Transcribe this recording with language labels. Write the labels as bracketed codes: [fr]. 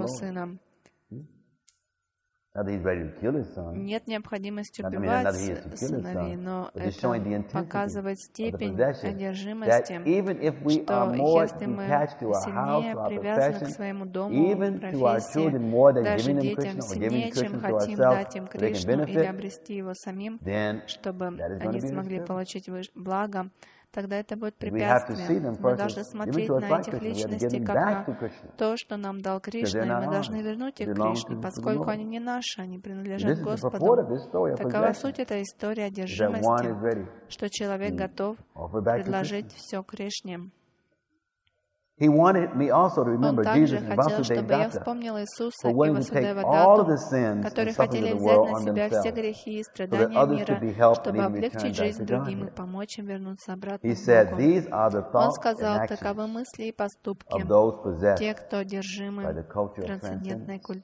[en] Not that he's ready to kill his son. [ru] Нет необходимости убивать сыновей, но это показывает степень одержимости, что если мы сильнее привязаны к своему дому, профессии, даже детям сильнее, чем хотим дать им Кришну или обрести его самим, чтобы они смогли получить благо, тогда это будет препятствие. Мы должны смотреть на этих личностей как на то, что нам дал Кришна, и мы должны вернуть их Кришне, поскольку они не наши, они принадлежат Господу. Такова суть этой истории одержимости, что человек готов предложить все Кришне. [en] He wanted me also to remember Jesus and Vasudevadatta, who wanted to take all of the sins and suffering of the world on themselves so that others could be helped and even return back to Godhead. He said, these are the thoughts and actions of those possessed by the culture of transcendence.